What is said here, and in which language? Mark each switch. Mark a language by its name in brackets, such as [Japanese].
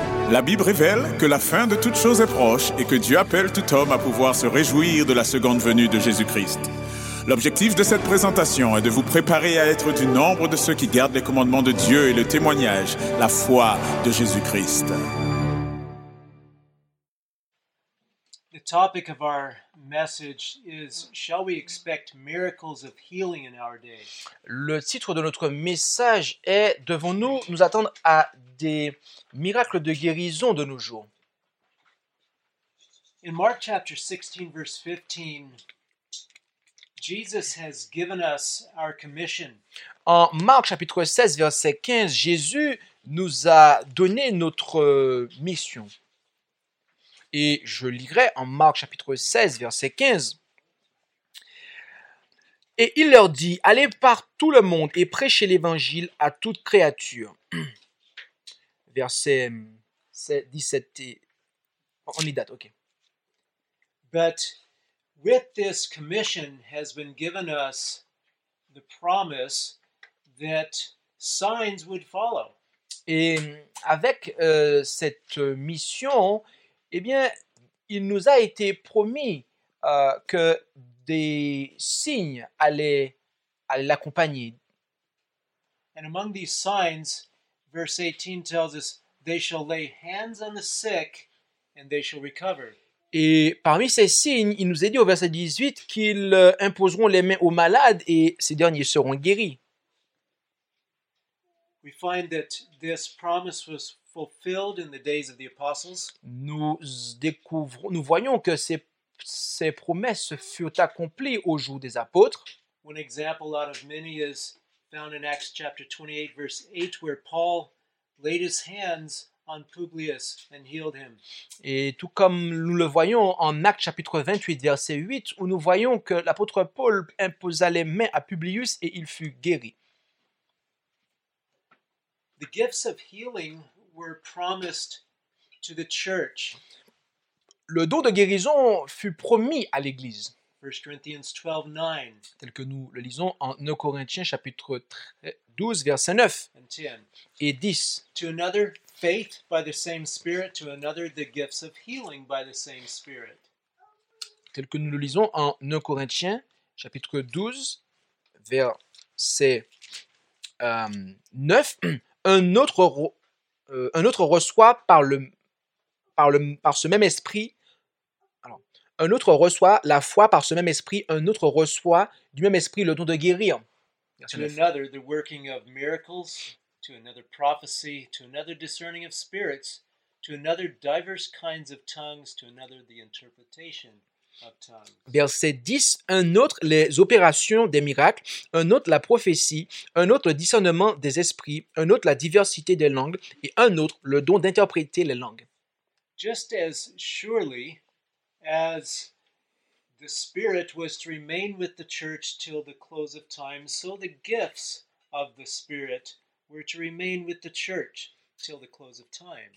[French] La Bible révèle que la fin de toutes choses est proche et que Dieu appelle tout homme à pouvoir se réjouir de la seconde venue de Jésus-Christ. L'objectif de cette présentation est de vous préparer à être du nombre de ceux qui gardent les commandements de Dieu et le témoignage, la foi de Jésus-Christ. [English] The topic of our message is, shall we expect miracles of healing in our day? [French] Le titre de notre message est, devons-nous nous attendre à des miracles de guérison de nos jours? [English] In Mark chapter 16, verse 15, Jesus has given us our commission. [French] En Marc chapitre 16 verset 15, Jésus nous a donné notre mission. Et je lirai en Marc chapitre 16 verset 15. Et il leur dit, allez par tout le monde et prêchez l'évangile à toute créature. Verset 17 et... On y date, ok. [English] But with this commission has been given us the promise that signs would follow. [French] Et avec cette mission, eh bien, il nous a été promis que des signes allaient l'accompagner. [English] And among these signs, verse 18 tells us they shall lay hands on the sick and they shall recover. [French] Et parmi ces signes, il nous est dit au verset 18 qu'ils imposeront les mains aux malades et ces derniers seront guéris. [English] We find that this promise was fulfilled in the days of the apostles. [French] Nous voyons que ces promesses furent accomplies au jour des apôtres. [English] One example out of many is found in Acts chapter 28 verse 8 where Paul laid his hands on Publius and healed him. [French] Et tout comme nous le voyons en Actes chapitre 28 verset 8 où nous voyons que l'apôtre Paul imposa les mains à Publius et il fut guéri. [English] The gifts of healing were promised to the church. [French] Le don de guérison fut promis à l'église. [English] 1 Corinthians 12:9. [French] Tel que nous le lisons en 1 Corinthiens chapitre 12 verset 9 [English] and 10. [French] Et 10. [English] To another faith by the same spirit, to another the gifts of healing by the same spirit. [French] Tel que nous le lisons en 1 Corinthiens chapitre 12 verset 9, un autre reçoit par ce même esprit. Alors, un autre reçoit la foi par ce même esprit, un autre reçoit du même esprit le don de guérir. [English] To another the working of miracles, to another prophecy, to another discerning of spirits, to another diverse kinds of tongues, to another the interpretation of tongues. [French] Verset 10, un autre les opérations des miracles, un autre la prophétie, un autre le discernement des esprits, un autre la diversité des langues et un autre le don d'interpréter les langues. [English] Just as surely as the Spirit was to remain with the church till the close of time, so the gifts of the Spirit were to remain with the church till the close of time.